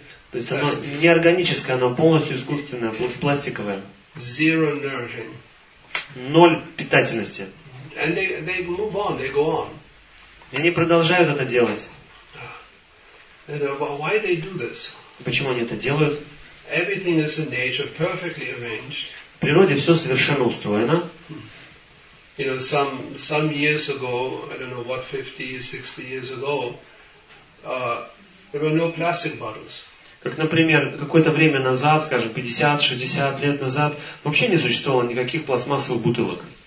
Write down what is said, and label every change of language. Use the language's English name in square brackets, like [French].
[Russian] То есть оно не органическое, оно полностью искусственное, пластиковое. [English] Zero nourishing. [Russian] Ноль питательности. [English] And they move on, they go on. [Russian] И они продолжают это делать. [English] And why they do this? [Russian] Почему они это делают? [English] Everything is in nature perfectly arranged. [Russian] В природе все совершенно устроено. [English] You know, some years ago, I don't know what 50, 60 years ago, there were no plastic bottles. [Russian] Как, например, какое-то время назад, скажем, 50-60 лет назад, вообще не существовало никаких пластмассовых бутылок.